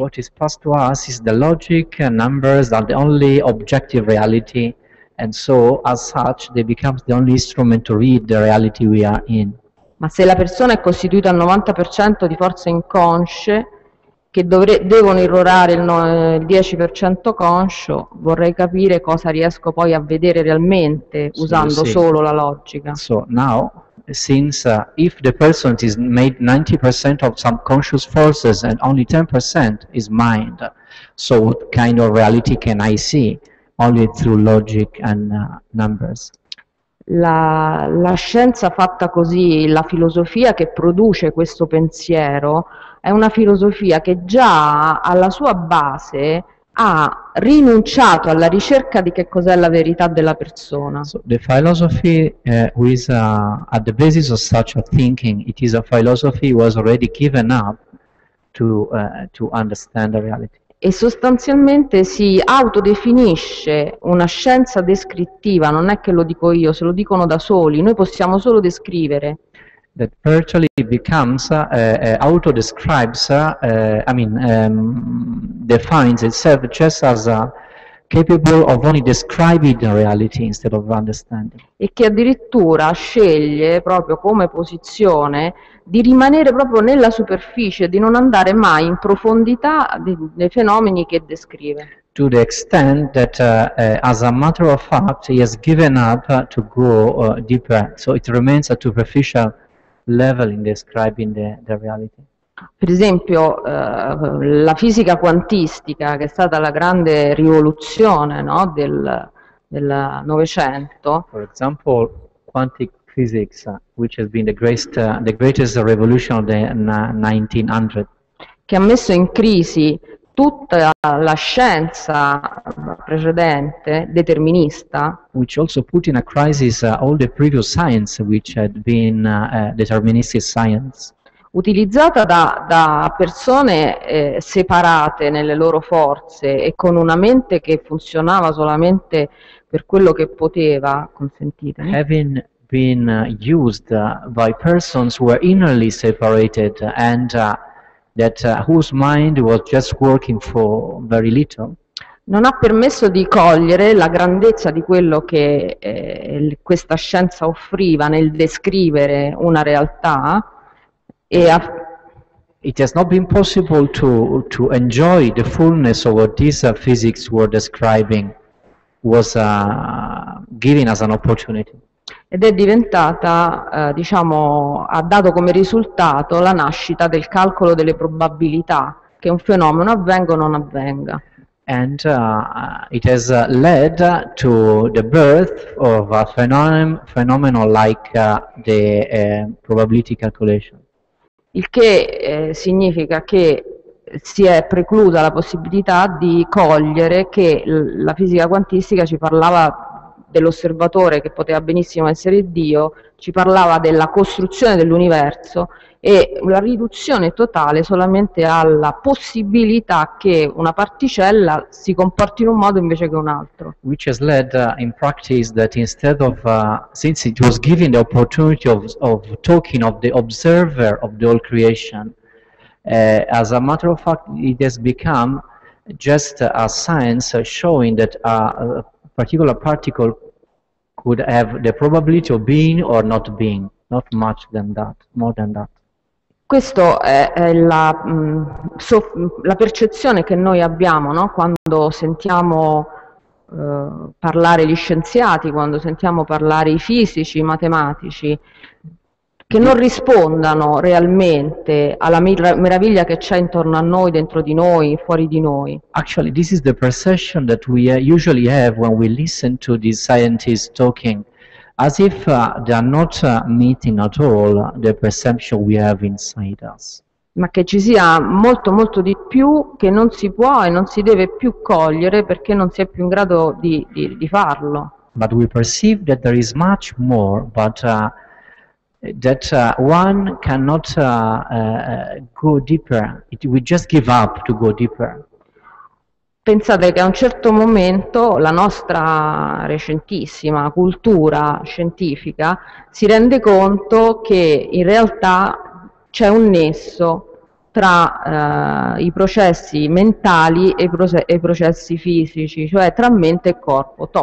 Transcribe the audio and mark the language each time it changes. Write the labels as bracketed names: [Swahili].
[English] What is passed to us is the logic and numbers are the only objective reality, and so as such they become the only instrument to read the reality we are in. [Italian] Ma se la persona è costituita al 90% di forze inconsce, che devono irrorare il 10% conscio, vorrei capire cosa riesco poi a vedere realmente usando solo la logica. [English] So now, since if the person is made 90% of subconscious forces and only 10% is mind, so what kind of reality can I see? Only through logic and numbers. [Italian] la scienza fatta così, la filosofia che produce questo pensiero, è una filosofia che già alla sua base ha rinunciato alla ricerca di che cos'è la verità della persona. [English] So the philosophy with at the basis of such a thinking, it is a philosophy was already given up to understand the reality. [Italian] E sostanzialmente si autodefinisce una scienza descrittiva, non è che lo dico io, se lo dicono da soli, noi possiamo solo descrivere. [English] That virtually becomes auto-describes, defines itself just as capable of only describing the reality instead of understanding. [Italian] E che addirittura sceglie proprio come posizione di rimanere proprio nella superficie, di non andare mai in profondità dei fenomeni che descrive. [English] To the extent that, as a matter of fact, he has given up to go deeper, so it remains a superficial level in describing the reality. [Italian] Per esempio, la fisica quantistica, che è stata la grande rivoluzione, no, del Novecento. [English] For example, quantic physics, which has been the greatest revolution of the 1900. [Italian] Che ha messo in crisi tutta la scienza precedente determinista, [English] which also put in a crisis all the previous science which had been deterministic science, [Italian] utilizzata da persone separate nelle loro forze e con una mente che funzionava solamente per quello che poteva, consentite, [English] having been used by persons who were innerly separated and whose mind was just working for very little, [Italian] non ha permesso di cogliere la grandezza di quello che questa scienza offriva nel descrivere una realtà. [English] It has not been possible to enjoy the fullness of what these physics were describing was giving us an opportunity. [Italian] Ed è diventata, diciamo, ha dato come risultato la nascita del calcolo delle probabilità, che un fenomeno avvenga o non avvenga. [English] And it has led to the birth of a phenomenon like the probability calculation. [Italian] Il che significa che si è preclusa la possibilità di cogliere che la fisica quantistica ci parlava dell'osservatore che poteva benissimo essere Dio, ci parlava della costruzione dell'universo e la riduzione totale solamente alla possibilità che una particella si comporti in un modo invece che un altro. [English] Which has led in practice that instead of, since it was given the opportunity of talking of the observer of the whole creation, as a matter of fact it has become just a science showing that particular particle could have the probability of being or not being, not much than that, more than that. [Italian] Questo è la percezione che noi abbiamo, no? Quando sentiamo parlare gli scienziati, quando sentiamo parlare i fisici, i matematici, che non rispondano realmente alla meraviglia che c'è intorno a noi, dentro di noi, fuori di noi. [English] Actually, this is the perception that we usually have when we listen to these scientists talking, as if they are not meeting at all the perception we have inside us. [Italian] Ma che ci sia molto molto di più che non si può e non si deve più cogliere perché non si è più in grado di farlo. [English] But we perceive that there is much more, but that one cannot go deeper. We just give up to go deeper. [Italian] Pensate che a un certo momento la nostra recentissima cultura scientifica si rende conto che in realtà c'è un nesso tra i processi mentali e i processi fisici, cioè tra mente e corpo.